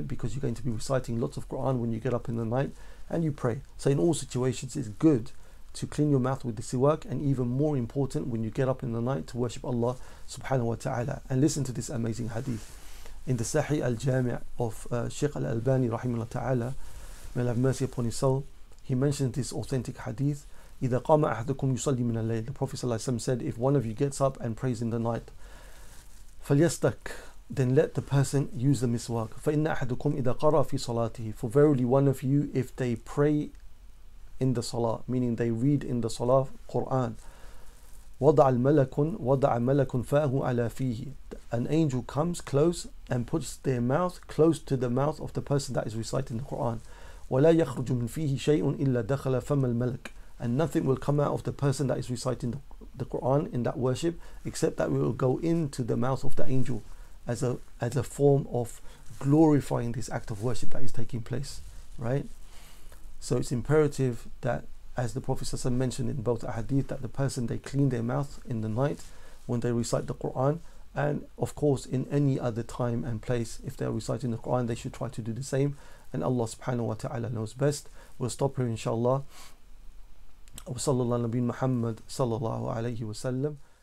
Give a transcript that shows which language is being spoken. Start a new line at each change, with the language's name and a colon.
English: Because you're going to be reciting lots of Quran when you get up in the night and you pray. So in all situations, it's good to clean your mouth with the siwak, and even more important when you get up in the night to worship Allah subhanahu wa ta'ala. And listen to this amazing hadith in the Sahih al-Jami' of Sheikh al-Albani rahimahullah ta'ala, may Allah have mercy upon his soul. He mentioned this authentic hadith,
Arabic: إِذَا قَامَ أَحْدُكُمْ يُصَلِّي مِنَ اللَّيْلِ.
English: The Prophet sallallahu alaihi wasallam said, if one of you gets up and prays in the night,
Arabic: فَلْيَسْتَكْ,
English: then let the person use the miswak.
Arabic: فَإِنَّ أَحَدُكُمْ إِذَا قَرَأَ فِي صَلَاتِهِ,
English: for verily one of you, if they pray in the salah, meaning they read in the salah Quran,
Arabic: وَضَعَ مَلَكٌ فَأَهُ عَلَى فِيهِ,
English: an angel comes close and puts their mouth close to the mouth of the person that is reciting the Quran.
Arabic: وَلَا يَخْرُجُ مِنْ فِيهِ شَيْءٌ إِلَّا دَخَلَ فَمَ الْمَلَكُ,
English: and nothing will come out of the person that is reciting the Quran in that worship except that we will go into the mouth of the angel as a form of glorifying this act of worship that is taking place, right? So it's imperative that, as the Prophet ﷺ mentioned in both ahadith, that the person, they clean their mouth in the night when they recite the Quran, and of course in any other time and place if they are reciting the Quran, they should try to do the same, and Allah subhanahu wa ta'ala knows best. We'll stop here inshallah.
Arabic: وصلى الله على نبينا محمد صلى الله عليه وسلم.